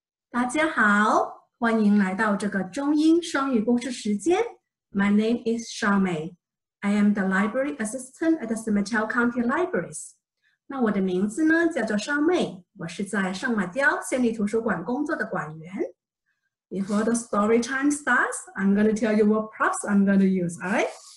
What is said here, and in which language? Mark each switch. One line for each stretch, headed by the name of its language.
Chinese: 大家好，欢迎来到这个中英双语故事时间。
English: My name is Shao Mei. I am the library assistant at the Simitau County Libraries.
Chinese: 那我的名字呢，叫做 Shao Mei. 我是在上马雕县立图书馆工作的馆员。
English: Before the story time starts, I'm going to tell you what props I'm going to use, all right?